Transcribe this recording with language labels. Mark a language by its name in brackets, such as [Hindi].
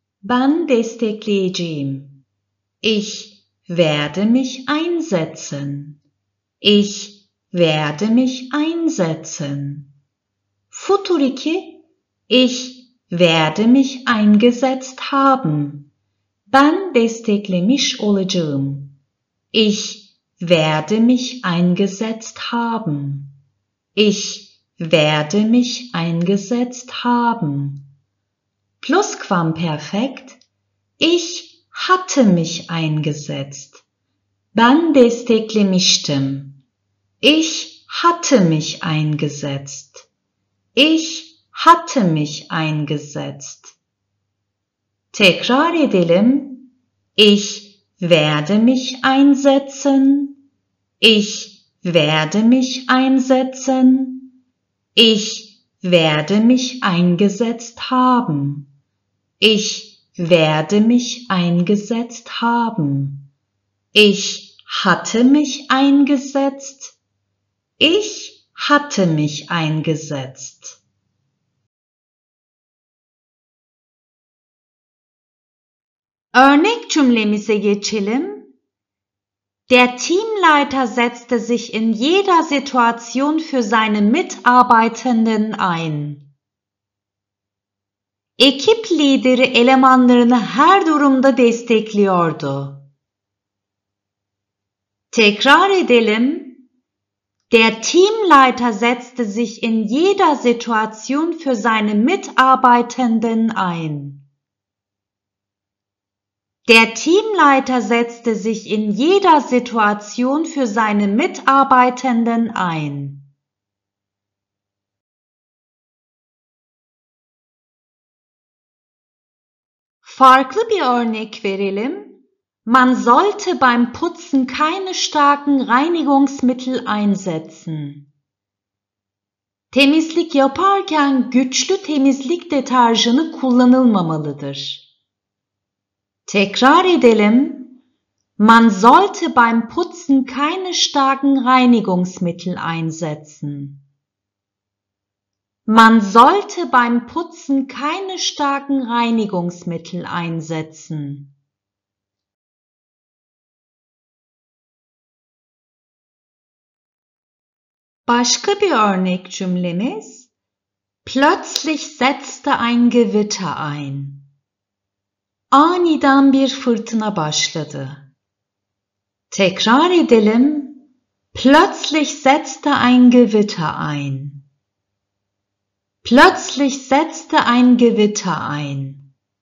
[Turkish] Ben destekleyeceğim. [German] Ich werde mich einsetzen. Ich werde mich einsetzen. Futur 2, ich werde mich eingesetzt haben. [Turkish] Ben desteklemiş olacağım. [German] Ich werde mich eingesetzt haben. Ich werde mich eingesetzt haben. Plusquamperfekt. Ich hatte mich eingesetzt. [Turkish] Ben desteklemiştim. [German] Ich hatte mich eingesetzt. Ich hatte mich eingesetzt. [Turkish] Tekrar edelim. [German] Ich werde mich einsetzen. Ich werde mich einsetzen. Ich werde mich eingesetzt haben. Ich werde mich eingesetzt haben. Ich hatte mich eingesetzt. Ich hatte mich eingesetzt. [Turkish] Örnek cümlemize geçelim. [German] Der Teamleiter setzte sich in jeder Situation für seine Mitarbeitenden ein. [Turkish] Ekip lideri elemanlarını her durumda destekliyordu. Tekrar edelim. [German] Der Teamleiter setzte sich in jeder Situation für seine Mitarbeitenden ein. Der Teamleiter setzte sich in jeder Situation für seine Mitarbeitenden ein. [Turkish] Farklı bir örnek verelim. [German] Man sollte beim Putzen keine starken Reinigungsmittel einsetzen. [Turkish] Temizlik yaparken güçlü temizlik deterjanı kullanılmamalıdır. Tekrar edelim. [German] Man sollte beim Putzen keine starken Reinigungsmittel einsetzen. Man sollte beim Putzen keine starken Reinigungsmittel einsetzen. [Turkish] Başka bir örnek cümlemiz. [German] Plötzlich setzte ein Gewitter ein. [Turkish] Aniden bir fırtına başladı. Tekrar edelim. [German] Plötzlich setzte ein Gewitter ein. Plötzlich setzte ein Gewitter ein.